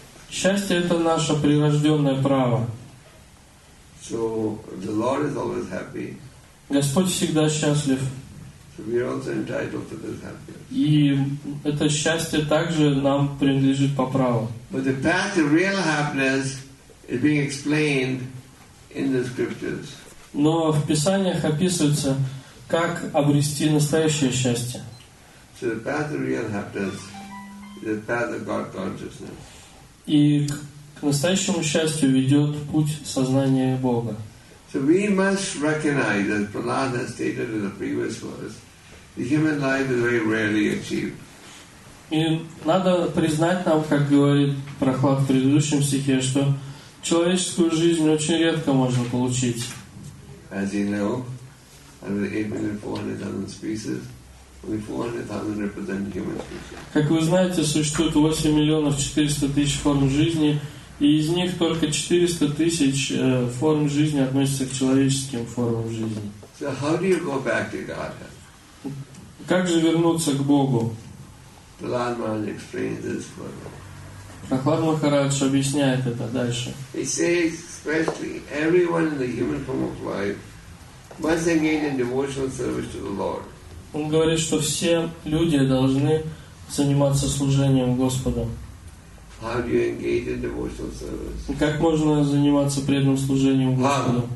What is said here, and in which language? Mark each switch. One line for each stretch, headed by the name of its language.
Russian: Счастье — это наше прирожденное право.
English: So the Lord is always happy.
Russian: Господь всегда счастлив.
English: So we are also entitled to this happiness.
Russian: И это счастье также нам принадлежит по праву.
English: But the path to real happiness is being explained in the scriptures.
Russian: Но в Писаниях описывается, как обрести настоящее счастье.
English: So the path to real happiness is the path of God consciousness.
Russian: И к настоящему счастью ведет путь сознания Бога.
English: So we must recognize, as Prahlad has stated in the previous verse, the human life is very rarely achieved.
Russian: И надо признать нам, как говорит Прохлад в предыдущем стихе, что человеческую жизнь очень редко можно получить.
English: As you know, out of 8,400,000 species, only 400,000 represent human species.
Russian: Как вы знаете, существует 8,400,000 форм жизни. И из них только 400 тысяч форм жизни относятся к человеческим формам жизни.
English: So how do you go back to God?
Russian: Как же вернуться к Богу?
English: Prahlad Maharaj explains this further.
Russian: Прохлад Махарадж объясняет это дальше.
English: He says, especially everyone in the human form of life must engage in devotional service to the Lord.
Russian: Он говорит, что все люди должны заниматься служением Господу.
English: How do you engage in devotional service?
Russian: Как можно заниматься преданным служением Господу?